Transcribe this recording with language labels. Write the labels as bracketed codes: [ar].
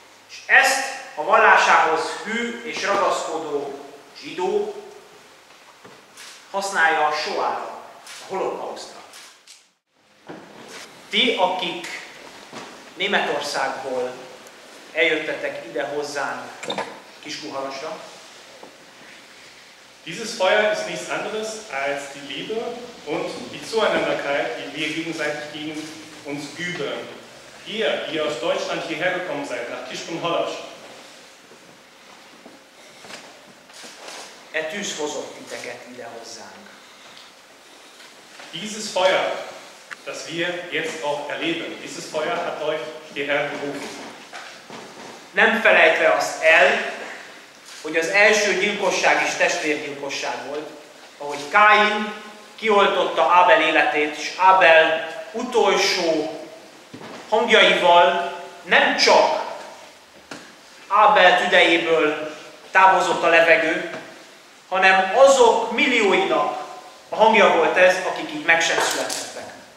[hu] És ezt a vallásához hű és ragaszkodó zsidó használja a Shoah-ra, a holokausztra. Ti, akik Németországból eljöttetek ide hozzánk Kiskunhalasra, [de] dieses Feuer ist nichts anderes als die Liebe und die Zueinanderkeit, die wir gegenseitig gegen uns üben. Ihr, die aus Deutschland hierher gekommen seid, nach Kiskunhalas. [hu] Er tűz hozott titeket ide hozzánk. [de] Dieses Feuer, das wir jetzt auch erleben, dieses Feuer hat euch hierher gerufen. [hu] Nem felejtve azt el, hogy az első gyilkosság is testvérgyilkosság volt, ahogy Káin kioltotta Ábel életét, és Ábel utolsó hangjaival nem csak Ábel tüdejéből távozott a levegő, hanem azok millióinak a hangja volt ez, akik így meg sem születettek.